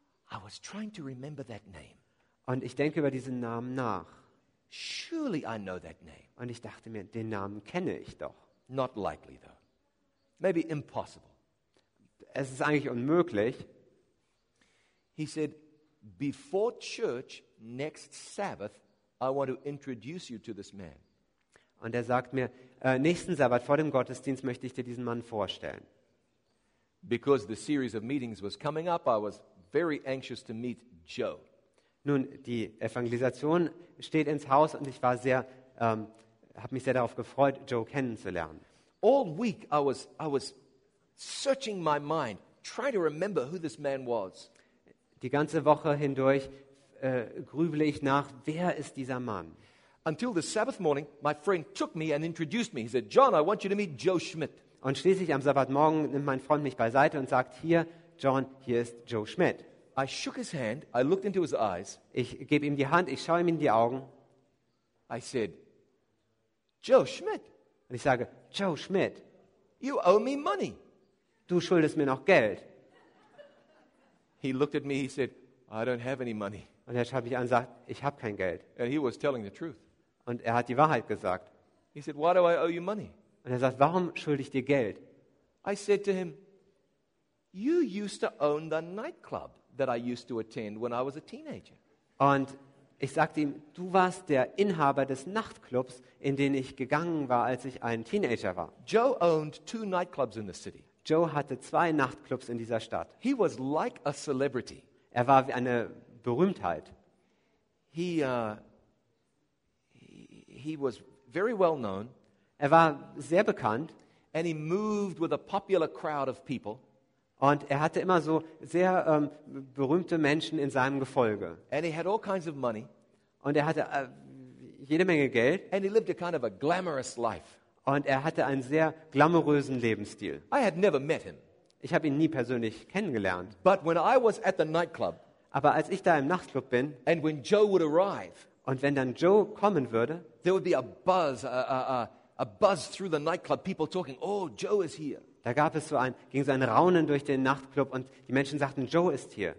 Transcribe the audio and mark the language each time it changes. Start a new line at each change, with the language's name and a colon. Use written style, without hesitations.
English: I was trying to remember that name.
German: Und ich denke über diesen Namen nach.
English: Surely I know that name.
German: Und ich dachte mir, den Namen kenne ich doch.
English: Not likely though. Maybe impossible.
German: Es ist eigentlich unmöglich.
English: He said, Before church next Sabbath, I want to introduce you to this man.
German: Und er sagt mir, nächsten Sabbat vor dem Gottesdienst möchte ich dir diesen Mann vorstellen.
English: Because the series of meetings was coming up, I was very anxious to meet Joe.
German: Nun, die Evangelisation steht ins Haus und ich war sehr, habe mich sehr darauf gefreut, Joe kennenzulernen.
English: All week I was searching my mind, trying to remember who this man was.
German: Die ganze Woche hindurch grübele ich nach, wer ist dieser Mann?
English: Until the Sabbath morning, my friend took me and introduced me. He said, "John, I want you to meet Joe Schmidt."
German: Und schließlich am Sabbatmorgen nimmt mein Freund mich beiseite und sagt, "Hier, John, hier ist Joe Schmidt."
English: I shook his hand. I looked into his eyes.
German: Ich gebe ihm die Hand. Ich schaue ihm in die Augen.
English: I said, "Joe Schmidt."
German: Und ich sage, "Joe Schmidt,
English: you owe me money.
German: Du schuldest mir noch Geld."
English: He looked at me. He said, "I don't have any money."
German: Und er schaut mich an und sagt, "Ich habe kein Geld."
English: And he was telling the truth.
German: Und er hat die Wahrheit gesagt.
English: He said, "Why do I owe you money?"
German: Und er sagt, "Warum schulde ich dir Geld?"
English: I said to him, "You used to own the nightclub that I used to attend when I was a teenager."
German: Und ich sagte ihm, "Du warst der Inhaber des Nachtclubs, in den ich gegangen war, als ich ein Teenager war."
English: Joe owned two nightclubs in the city.
German: Joe hatte zwei Nachtclubs in dieser Stadt.
English: He was like a celebrity.
German: Er war wie eine Berühmtheit.
English: He was very well known.
German: Er war sehr bekannt.
English: And he moved with a popular crowd of people.
German: Und er hatte immer so sehr berühmte Menschen in seinem Gefolge.
English: And he had all kinds of money.
German: Und er hatte jede Menge Geld.
English: And he lived a kind of a glamorous life.
German: Und er hatte einen sehr glamourösen Lebensstil.
English: I had never met him.
German: Ich habe ihn nie persönlich kennengelernt.
English: But when I was at the nightclub,
German: aber als ich da im Nachtclub bin,
English: and when Joe would arrive,
German: und wenn dann Joe kommen würde,
English: there would be a buzz through the nightclub, people talking, "Oh, Joe is here."
German: Da gab es ging so ein Raunen durch den Nachtclub und die Menschen sagten, "Joe ist hier."